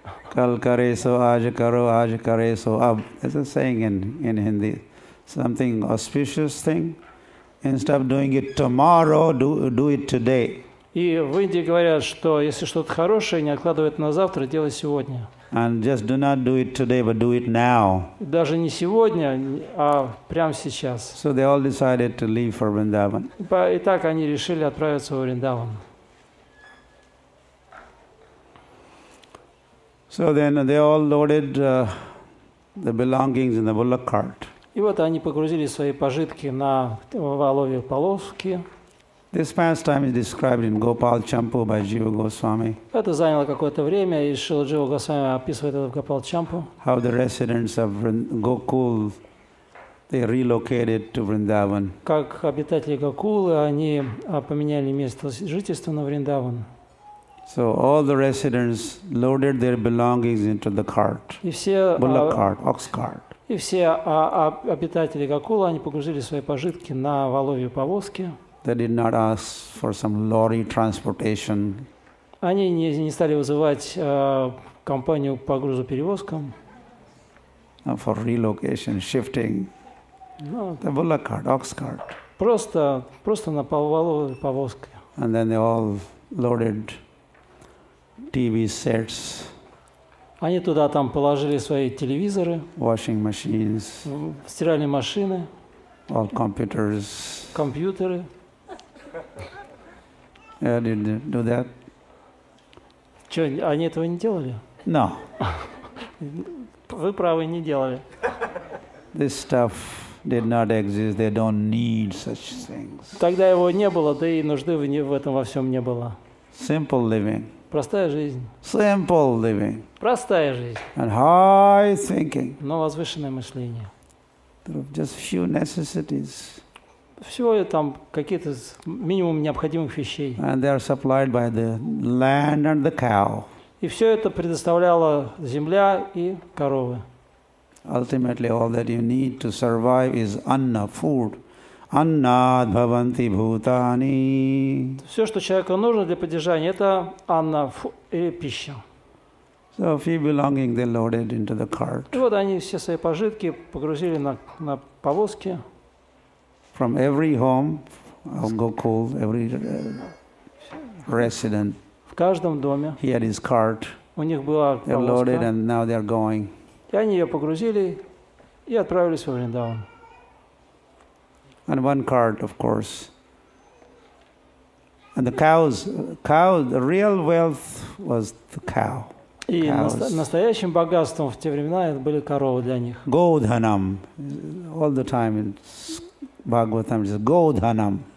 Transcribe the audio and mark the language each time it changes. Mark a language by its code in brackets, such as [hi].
[en] Кал каресо, аж каро, аж каресо, аб. It's a saying in Hindi. Something auspicious thing. Instead of doing it tomorrow, do it today. [ru] И в Индии говорят, что если что-то хорошее, не откладывай на завтра, делай сегодня. [en] And just do not do it today, but do it now. [ru] Даже не сегодня, а прямо сейчас. [en] So they all decided to leave for Vrindavan. [ru] Итак, они решили отправиться в Вриндаван. [en] So then they all loaded the belongings in the bullock cart. [ru] И вот они погрузили свои пожитки на воловьи полозки. [en] This pastime is described in Gopal Champu by Jiva Goswami. [ru] Это заняло какое-то время, и Шрила Джива Госвами описывает это в Гопал Чампу. [en] How the residents of Gokul they relocated to Vrindavan. [ru] Как обитатели Гокулы, они поменяли место жительства на Вриндаван. [en] So all the residents loaded their belongings into the cart. [ru] И все [en] bullock cart, ox cart. [ru] И все обитатели Гокулы, они погрузили свои пожитки на воловьи повозки. [en] They did not ask for some lorry transportation. [ru] Они не стали вызывать компанию по грузоперевозкам. [en] For relocation, shifting. No. The bullock cart, ox cart. [ru] Просто на воловьи повозки. [en] And then they all loaded TV sets. [ru] Они туда там положили свои телевизоры. [en] Washing machines. [ru] Стиральные машины. [en] All computers. [ru] Компьютеры. [en] Yeah, did they do that? [ru] Что, они этого не делали? [en] No. [ru] Вы правы, не делали. [en] This stuff did not exist. They don't need such things. [ru] Тогда его не было, да и нужды в этом во всем не было. [en] Simple living. [ru] Простая жизнь. [en] Simple living. [ru] Простая жизнь. [en] And high thinking. [ru] Но возвышенное мышление. [en] Just few necessities. [ru] Всего там какие-то минимум необходимых вещей. [en] And they are supplied by the land and the cow. [ru] И все это предоставляла земля и коровы. [en] Ultimately, all that you need to survive is anna, food. [sa] Аннад бхаванти бхутани. [ru] Все, что человеку нужно для поддержания, это анна или пища. [en] So a few belongings they loaded into the cart. [ru] И вот они все свои пожитки погрузили на повозки. [en] From every home of Gokul, every resident. [ru] В каждом доме. [en] He had his cart. [ru] У них была повозка. [en] They loaded and now they are going. [ru] И они ее погрузили и отправились во Вриндаван. [en] And one cart, of course. And the cows, the real wealth was the cow. [ru] И настоящим богатством в те времена были коровы для них. [en] Godhanam, all the time in Bhagavatam, it's Godhanam.